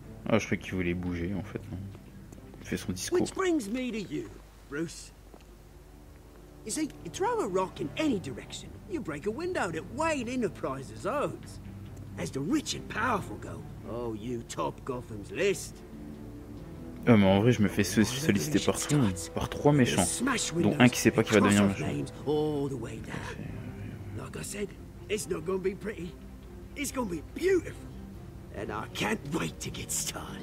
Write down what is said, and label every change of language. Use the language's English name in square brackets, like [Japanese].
[French] Ah, je croyais qu'il voulait bouger, en fait, non? Il fait son discours. [English] Which brings me to you, Bruce. You see, you throw a rock in any direction, you break a window that Wayne Enterprises owns. As the rich and powerful go, oh, you top Gotham's list. [French] Mais en vrai, je me fais solliciter par trois méchants, dont un qui sait pas qui va devenir méchant.